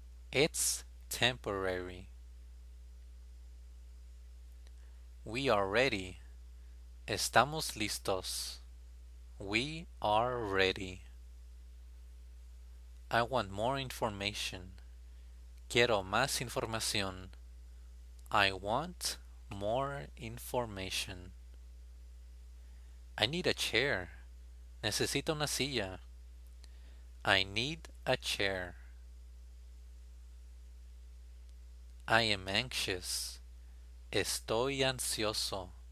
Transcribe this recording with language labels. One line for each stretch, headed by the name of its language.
English: It's temporary. We are ready.
Spanish: Estamos listos.
English: We are ready. I want more information.
Spanish: Quiero más información.
English: I want more information. I need a chair.
Spanish: Necesito una silla.
English: I need a chair. I am anxious.
Spanish: Estoy ansioso.